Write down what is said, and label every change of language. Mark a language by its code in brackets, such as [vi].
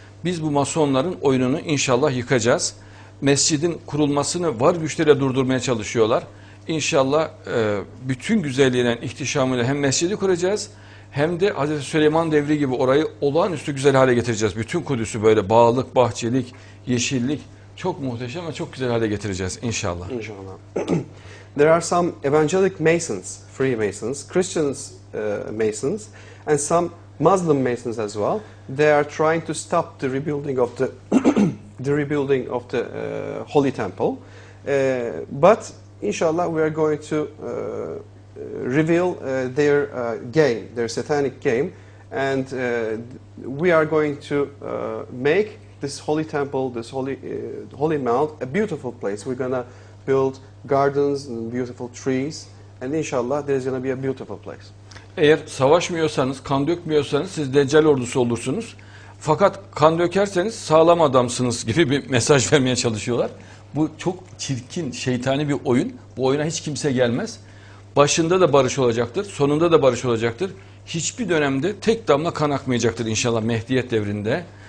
[tr] Biz bu Masonların oyununu inşallah yıkacağız. Mescidin kurulmasını var güçleriyle durdurmaya çalışıyorlar. İnşallah bütün güzelliğinden, ihtişamıyla hem mescidi kuracağız hem de Hazreti Süleyman devri gibi orayı olağanüstü güzel hale getireceğiz. Bütün Kudüs'ü böyle bağlık, bahçelik, yeşillik çok muhteşem ve çok güzel hale getireceğiz inşallah. İnşallah. [en] There are some evangelic Masons, Freemasons, Christians Masons, and some Muslim masons as well. They are trying to stop the rebuilding of the holy temple. But inshallah, we are going to reveal their game, their satanic game, and we are going to make this holy temple, this holy holy mount, a beautiful place. We're gonna build gardens and beautiful trees, and inshallah, there's gonna be a beautiful place. [tr] Eğer savaşmıyorsanız, kan dökmüyorsanız siz Deccal ordusu olursunuz. Fakat kan dökerseniz sağlam adamsınız gibi bir mesaj vermeye çalışıyorlar. Bu çok çirkin, şeytani bir oyun. Bu oyuna hiç kimse gelmez. Başında da barış olacaktır, sonunda da barış olacaktır. Hiçbir dönemde tek damla kan akmayacaktır inşallah Mehdiyet devrinde.